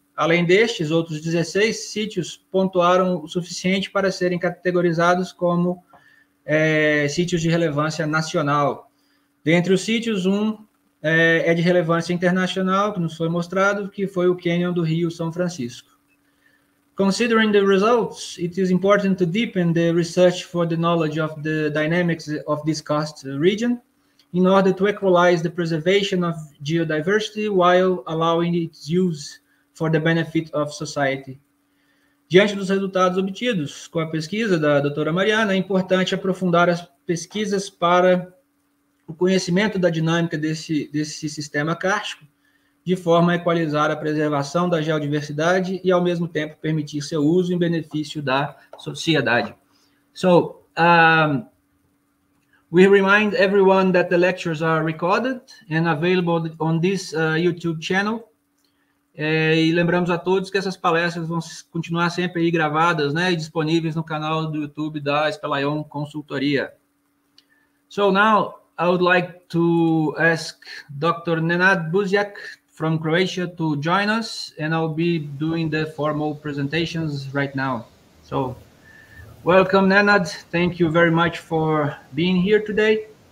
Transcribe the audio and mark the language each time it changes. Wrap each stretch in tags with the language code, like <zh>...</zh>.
<pt>Além destes, outros 16 sítios pontuaram o suficiente para serem categorizados como sítios de relevância nacional. Dentre os sítios, um é de relevância internacional, que nos foi mostrado, que foi o Canyon do Rio São Francisco.</pt> <en>Considering the results, it is important to deepen the research for the knowledge of the dynamics of this karst region in order to equalize the preservation of geodiversity while allowing its use for the benefit of society.</en> <pt>Diante dos resultados obtidos com a pesquisa da doutora Mariana, é importante aprofundar as pesquisas para o conhecimento da dinâmica desse sistema kárstico, de forma a equalizar a preservação da geodiversidade e, ao mesmo tempo, permitir seu uso em benefício da sociedade.</pt> <en>So, we remind everyone that the lectures are recorded and available on this YouTube channel.</en> <pt>E lembramos a todos que essas palestras vão continuar sempre aí gravadas, né, e disponíveis no canal do YouTube da Espelion Consultoria.</pt> <en>So, now, I would like to ask Dr. Nenad Buzjak from Croatia to join us, and I'll be doing the formal presentations right now. So, welcome, Nenad. Thank you very much for being here today.</en>